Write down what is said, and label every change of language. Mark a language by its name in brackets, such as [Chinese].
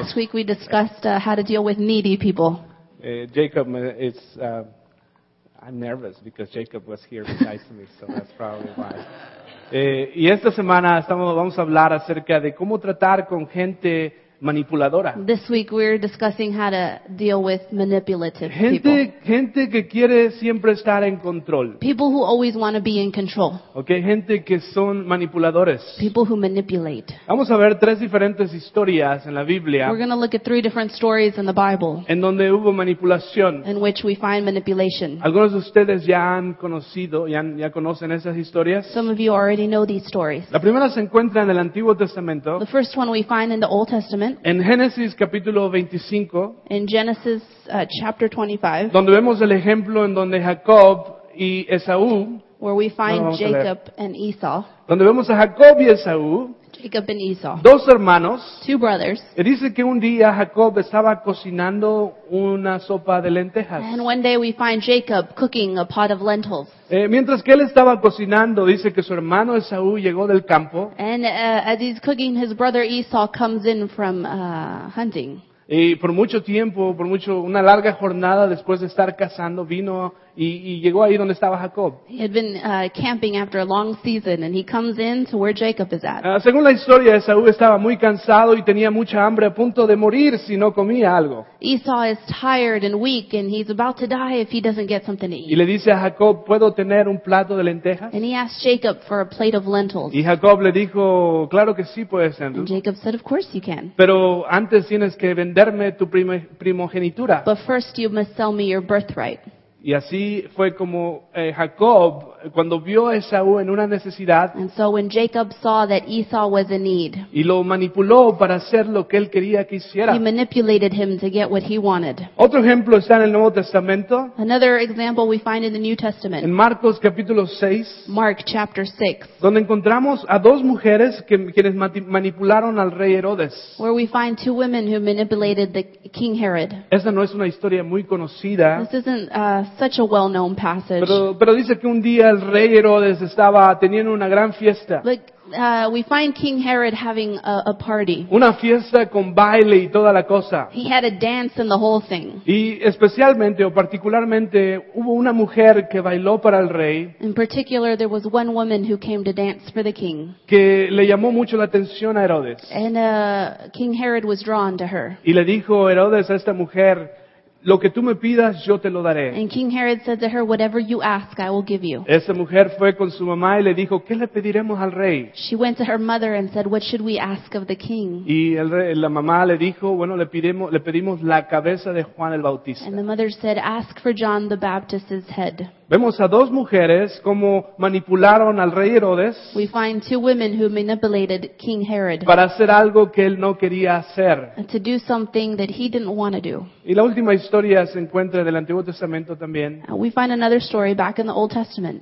[English] Last week we discussed how to deal with needy people. Jacob, it's I'm nervous because Jacob was here beside me, so that's probably why. [Spanish] Y esta semana vamos a hablar acerca de cómo tratar con gente manipuladora. [English] This week we're discussing how to deal with manipulative people. [Spanish] Gente que quiere siempre estar en control. [English] People who always want to be in control. [Spanish] Okay, gente que son manipuladores. [English] People who manipulate. [Spanish] Vamos a ver tres diferentes historias en la Biblia. [English] We're going to look at three different stories in the Bible. [Spanish] En donde hubo manipulación. [English] In which we find manipulation. [Spanish] Algunos de ustedes ya han conocido, ya conocen esas historias. [English] Some of you already know these stories. [Spanish] La primera se encuentra en el Antiguo Testamento. [English] The first one we find in the Old Testament. [Spanish] En Génesis capítulo 25, [English] in Genesis chapter 25, [Spanish] donde vemos el ejemplo en donde Jacob y Esaú, [English] where we find Jacob and Esau, [Spanish] donde vemos a Jacob y Esaú, [English] Jacob and Esau, [Spanish] dos hermanos, [English] two brothers, [Spanish] y dice que un día Jacob estaba cocinando una sopa de lentejas. [English] And one day we find Jacob cooking a pot of lentils. [Spanish] Mientras que él estaba cocinando, dice que su hermano Esaú llegó del campo. [English] And as he's cooking, his brother Esau comes in from hunting. [Spanish] Y por mucho tiempo, una larga jornada después de estar cazando, vino y llegó ahí donde estaba Jacob. [English] He had been camping after a long season and he comes in to where Jacob is at. [Spanish] Según la historia, Esaú estaba muy cansado y tenía mucha hambre, a punto de morir si no comía algo. [English] Esau is tired and weak and he's about to die if he doesn't get something to eat. [Spanish] Y le dice a Jacob, ¿puedo tener un plato de lentejas? [English] And he asked Jacob for a plate of lentils. [Spanish] Y Jacob le dijo, claro que sí puedes tener. [English] And Jacob said, of course you can. [Spanish] Pero antes tienes que venderme tu primogenitura. [English] But first you must sell me your birthright. [Spanish] Y así fue como Jacob, cuando vio a Esaú en una necesidad, [English] and so when Jacob saw that Esau was in need, [Spanish] y lo manipuló para hacer lo que él quería que hiciera. [English] He manipulated him to get what he wanted. [Spanish] Otro ejemplo está en el Nuevo Testamento. [English] Another example we find in the New Testament. [Spanish] En Marcos capítulo 6. [English] Mark chapter 6. [Spanish] Donde encontramos a dos mujeres quienes manipularon al rey Herodes. [English] Where we find two women who manipulated the King Herod. [Spanish] Esta no es una historia muy conocida. [English] This isn't such a well-known passage. [Spanish] Pero dice que un día el rey Herodes estaba teniendo una gran fiesta. [English] We find King Herod having a party. [Spanish] Una fiesta con baile y toda la cosa. [English] He had a dance and the whole thing. [Spanish] Y especialmente o particularmente hubo una mujer que bailó para el rey. [English] In particular, there was one woman who came to dance for the king. [Spanish] Que le llamó mucho la atención a Herodes. [English] And King Herod was drawn to her. [Spanish] Y le dijo Herodes a esta mujer, lo que tú me pidas, yo te lo daré. [English] And King Herod said to her, whatever you ask, I will give you. [Spanish] Esa mujer fue con su mamá y le dijo, ¿qué le pediremos al rey? [English] She went to her mother and said, what should we ask of the king? [Spanish] Y el rey, la mamá le dijo, bueno, le pedimos la cabeza de Juan el Bautista. [English] And the mother said, ask for John the Baptist's head. [Spanish] Vemos a dos mujeres como manipularon al rey Herodes. [English] We find two women who manipulated King Herod. [Spanish] Para hacer algo que él no quería hacer. [English] To do something that he didn't want to do. [Spanish] Y la última historia se encuentra en el Antiguo Testamento también. [English] We find another story back in the Old Testament.